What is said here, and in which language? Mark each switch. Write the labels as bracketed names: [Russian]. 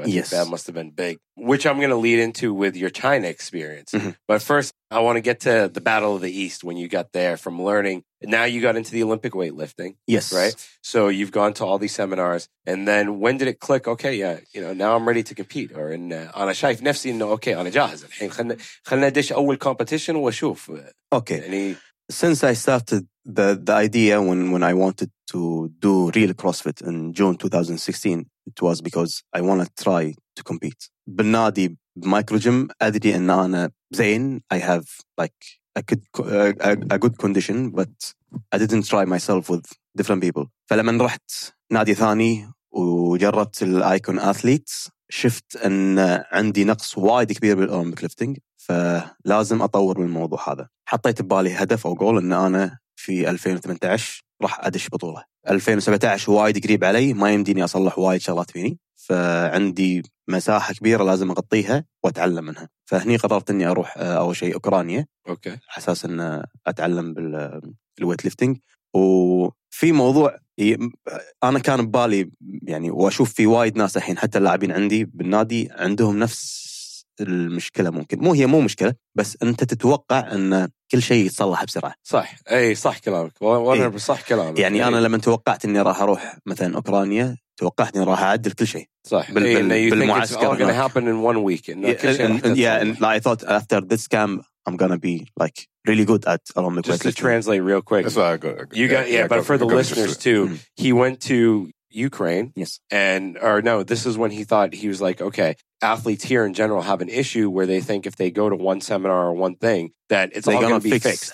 [English] I think that must have been big, which I'm going to lead into with your China experience. Mm-hmm. But first, I want to get to the Battle of the East when you got there from learning. Now you got into the Olympic weightlifting. Yes. Right? So you've gone to all these seminars. And then when did it click? Okay, yeah, you know, now I'm ready to compete. [Arabic] Or in أنا شايف نفسي إنه أوكي أنا جاهز. خلنا ديش أول competition وأشوف. [English] Okay. يعني, since I started the idea when I wanted to do real CrossFit in June 2016, it was because I want to try to compete. [Arabic] بنادي مايكرو جيم أدري إن أنا زين. [English] I have like a good condition, but I didn't try myself with different people. [Arabic] فلما رحت نادي ثاني وجربت الايكون athletes, شفت إن عندي نقص وايد كبير بالأولمبيك ليفتنج. فلازم أطور من الموضوع هذا. حطيت ببالي هدف أو جول إن أنا في 2018 راح أدش بطولة. 2017 وايد قريب علي, ما يمديني أصلح وايد شغلات فيني, فعندي مساحة كبيرة لازم أغطيها وأتعلم منها. فهني قررت إني أروح أول شيء أوكرانيا. أوكي. أساس إن أتعلم بالويت ليفتنج. وفي موضوع أنا كان ببالي يعني, وأشوف في وايد ناس الحين حتى اللاعبين عندي بالنادي عندهم نفس المشكلة. ممكن مو هي مو مشكلة, بس أنت تتوقع أن كل شيء يتصلح بسرعة. صح, أي صح كلامك, وأنا إيه؟ بصح كلامك يعني إيه؟ أنا لما توقعت أني راح أروح مثلا أوكرانيا توقعت أني راح أعدل كل شيء. صح, بالمعسكر. [English] It's all gonna happen in one week. I thought after this camp I'm gonna be like really good at Olympic. Just to translate real quick, that's what I got. You got, yeah, but for the listeners too, he went to Ukraine. Yes. And or no, this is when he thought, he was like, okay, athletes here in general have an issue where they think if they go to one seminar or one thing that it's all gonna be fixed.